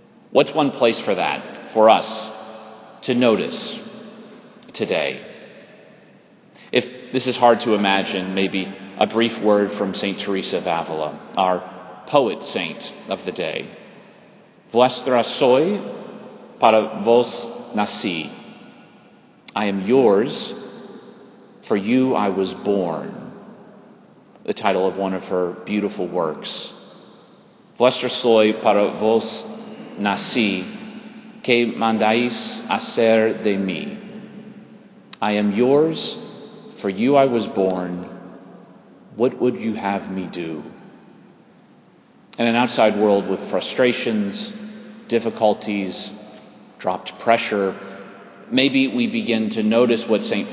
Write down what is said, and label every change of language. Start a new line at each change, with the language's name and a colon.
English: What's one place for that, for us, to notice today? If this is hard to imagine, maybe a brief word from St. Teresa of Avila, our poet saint of the day.
Spanish: Vuestra soy para vos nací.
English: I am yours, for you I was born. The title of one of her beautiful works.
Spanish: Vuestra soy para vos nací, que mandáis hacer de mí.
English: I am yours, for you I was born. What would you have me do? In an outside world with frustrations, difficulties, dropped pressure, maybe we begin to notice what St.